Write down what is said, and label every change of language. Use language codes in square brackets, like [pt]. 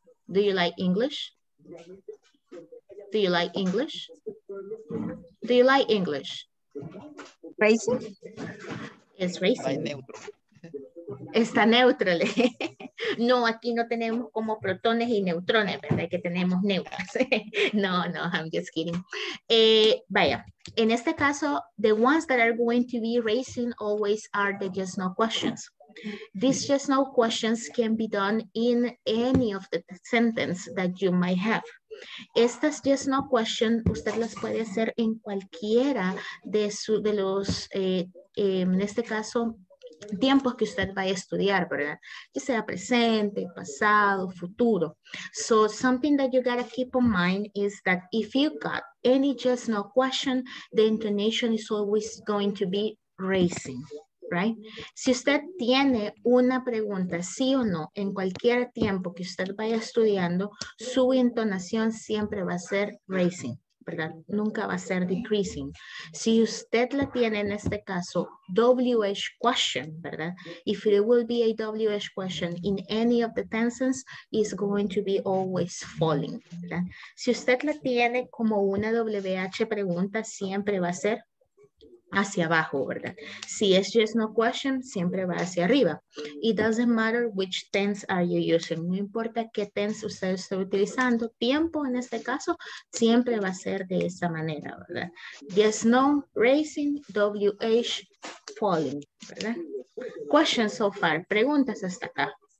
[en] Do you like English? Do you like English? Do you like English? Racing? [es] Es racing. Está neutral. No, aquí no tenemos como protones y neutrones, ¿verdad? Que tenemos neutros. No, no, [en] I'm just kidding. [es] Vaya, en este caso, [en] the ones that are going to be raising always are the just no questions. These just no questions can be done in any of the sentence that you might have. [es] Estas just no questions, usted las puede hacer en cualquiera de, su, de los, en este caso, tiempos que usted va a estudiar, ¿verdad? Que sea presente, pasado, futuro. [en] So something that you gotta keep in mind is that if you got any just no question, the intonation is always going to be raising, right? [es] Si usted tiene una pregunta, sí o no, en cualquier tiempo que usted vaya estudiando, su entonación siempre va a ser raising, ¿verdad? Nunca va a ser decreasing. Si usted la tiene en este caso, WH question, ¿verdad? [en] If it will be a WH question in any of the tenses, it's going to be always falling, ¿verdad? [es] Si usted la tiene como una WH pregunta, siempre va a ser hacia abajo, ¿verdad? Si es just no question, siempre va hacia arriba. [en] It doesn't matter which tense are you using. [es] No importa qué tense usted esté utilizando. Tiempo, en este caso, siempre va a ser de esa manera, ¿verdad? [en] Just no, raising, WH, falling, ¿verdad? Questions so far. [es] ¿Preguntas hasta acá?